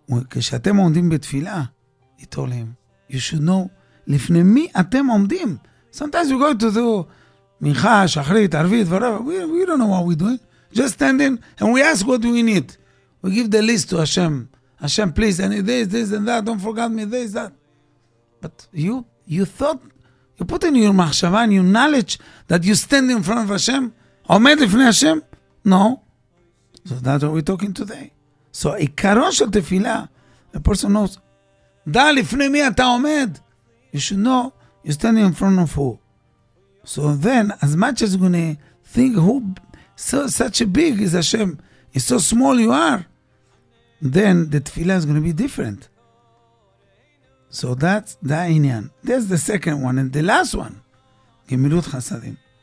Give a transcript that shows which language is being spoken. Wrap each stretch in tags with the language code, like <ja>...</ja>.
<he>כשאתם עומדים בתפילה,</he> <en>he told him, you should know,</en> <he>לפני מי אתם עומדים?</he> <en>Sometimes we go to do מנחה, שחרית, ערבית, whatever. We don't know what we're doing. Just standing, and we ask what we need. We give the list to Hashem. Hashem, please, and this, this, and that. Don't forget me, this, that. But you thought, you put in your machshava and your knowledge that you stand in front of Hashem,</en> <he>עומד לפני</he> <en>Hashem? No. So that's what we're talking today.</en> <he>So, עיקרון של תפילה,</he> <en>the person knows,</en> <he>דע לפני מי אתה עומד.</he> <en>You should know, you're standing in front of who. So then, as much as you're going to think who, so, such a big is Hashem, is so small you are, then the tefillah is going to be different. So that's the inyan. That's the second one. And the last one, gemilut chasadim.</en>